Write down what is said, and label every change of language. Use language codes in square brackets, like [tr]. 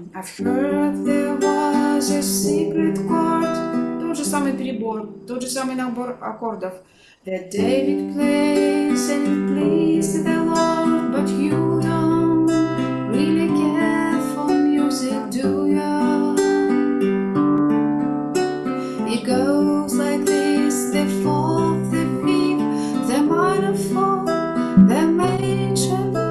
[en] I've heard there was a secret chord. [ru] Тот же самый перебор, тот же самый набор аккордов. [en] That David plays and it pleased the Lord, but you don't really care for music, do you? It goes like this, the fourth, the fifth, the minor fourth, the major.